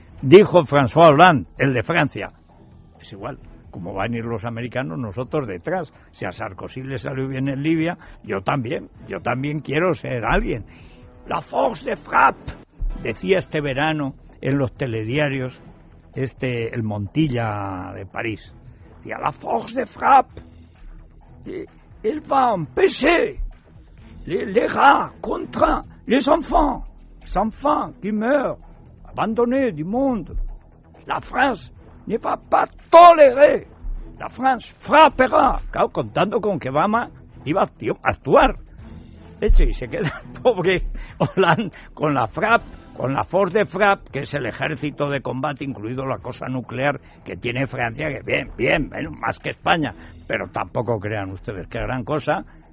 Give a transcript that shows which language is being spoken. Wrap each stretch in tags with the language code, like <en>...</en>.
<es>Dijo François Hollande, el de Francia, es igual, como van a ir los americanos, nosotros detrás. Si a Sarkozy le salió bien en Libia, yo también quiero ser alguien. La force de frappe, decía este verano en los telediarios, el Montilla de París.</es> <fr>Decía, la force de frappe, il va empêcher les rats contre les enfants. Les enfants qui meurent, abandonnés du monde. La France ne va pas tolérer. La France frappera.</fr> <es>Claro, contando con que Obama iba a actuar. Y se queda el pobre Hollande con la frappe. Con la force de frappe, que es el ejército de combate, incluido la cosa nuclear que tiene Francia, que bien, más que España, pero tampoco crean ustedes que gran cosa.</es>